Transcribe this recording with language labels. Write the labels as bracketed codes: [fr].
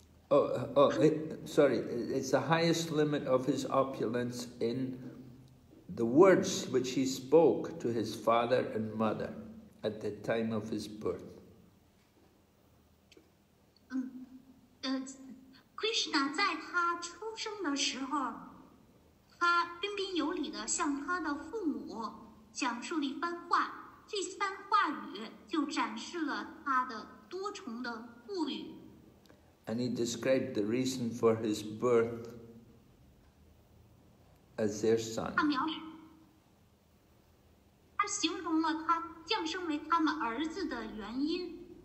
[en] It's the highest limit of his opulence in the words which he spoke to his father and mother at the time of his birth. [zh] Krishna, 在他出生的时候, 他彬彬有礼地向他的父母, 讲述了一番话, 这番话语就展示了他的多重的富裕。 [en] And he described the reason for his birth as their son. [zh] 他形容了他降生为他们儿子的原因。